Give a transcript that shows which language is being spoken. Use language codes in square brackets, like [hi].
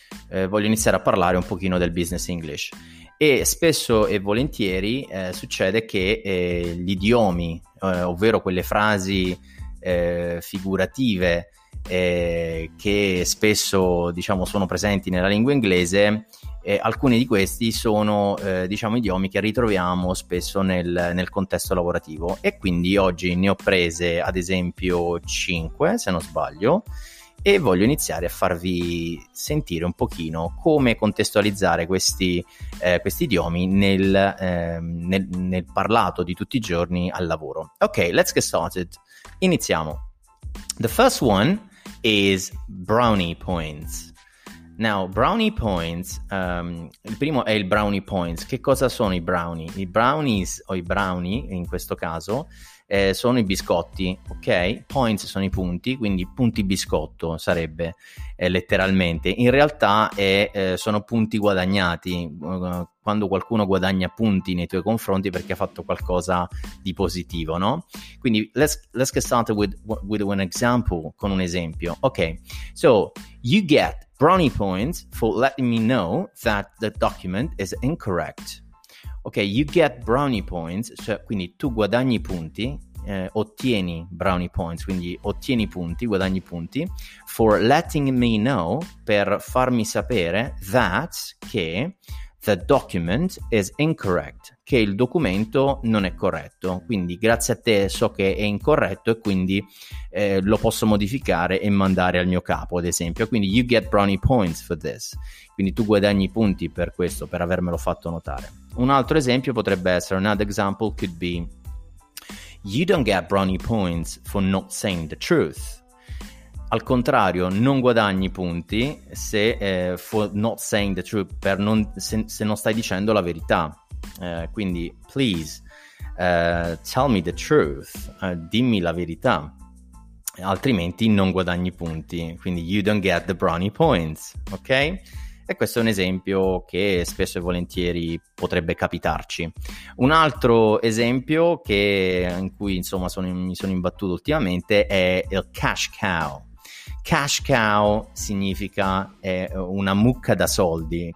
[it] Voglio iniziare a parlare un pochino del business English. E spesso e volentieri succede che gli idiomi, ovvero quelle frasi figurative che spesso diciamo sono presenti nella lingua inglese, alcuni di questi sono diciamo idiomi che ritroviamo spesso nel contesto lavorativo, e quindi oggi ne ho prese ad esempio 5, se non sbaglio, e voglio iniziare a farvi sentire un pochino come contestualizzare questi idiomi nel parlato di tutti i giorni al lavoro. [en] Ok, let's get started. [it] Iniziamo. [en] The first one is brownie points. Now, [it] brownie points, il primo è il brownie points. Che cosa sono i brownie? I brownies o i brownie, in questo caso, sono i biscotti, ok? Points sono i punti, quindi punti biscotto sarebbe letteralmente. In realtà sono punti guadagnati, quando qualcuno guadagna punti nei tuoi confronti perché ha fatto qualcosa di positivo, no? Quindi [en] let's get started with an example, [it] con un esempio. [en] Ok, so you get brownie points for letting me know that the document is incorrect. [it] Ok, [en] you get brownie points, [it] cioè quindi tu guadagni punti, ottieni brownie points, quindi ottieni punti, guadagni punti, [en] for letting me know, [it] per farmi sapere, [en] that, [it] che [en] the document is incorrect, [it] che il documento non è corretto, quindi grazie a te so che è incorretto e quindi lo posso modificare e mandare al mio capo, ad esempio. Quindi [en] you get brownie points for this, [it] quindi tu guadagni punti per questo, per avermelo fatto notare. Un altro esempio potrebbe essere, [en] another example could be, you don't get brownie points for not saying the truth. [it] Al contrario, non guadagni punti se [en] for not saying the truth, [it] se non stai dicendo la verità. Quindi, [en] please, tell me the truth, [it] dimmi la verità, altrimenti non guadagni punti. Quindi, [en] you don't get the brownie points, ok? [it] E questo è un esempio che spesso e volentieri potrebbe capitarci. Un altro esempio mi sono imbattuto ultimamente è il cash cow. Cash cow significa una mucca da soldi.